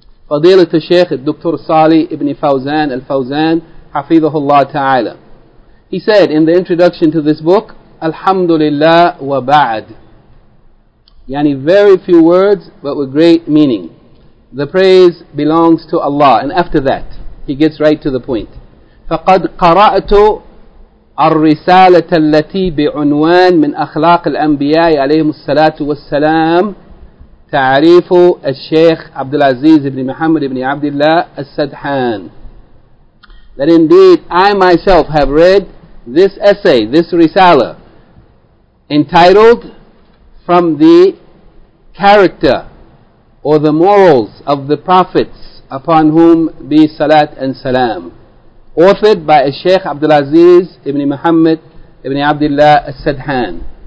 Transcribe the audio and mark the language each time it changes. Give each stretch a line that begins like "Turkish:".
English: Fadilat al-Shaykh Dr. Salih ibn Fawzan al-Fawzan, Hafidhullah Ta'ala. He said in the introduction to this book,
Arabic: Alhamdulillah wa ba'd.
English: Yani very few words, but with great meaning. The praise belongs to Allah. And after that, he gets right to the point.
Arabic: Faqad qara'tu الرسالة التي بعنوان من أخلاق الأنبياء عليهم الصلاة والسلام تعريف الشيخ عبد العزيز بن محمد بن عبد الله السدحان.
English: That indeed I myself have read this essay, this risala, entitled From the Character or the Morals of the Prophets Upon Whom Be Salat and Salam, authored by Sheikh Abdulaziz ibn Muhammad ibn Abdullah al-Sadhan.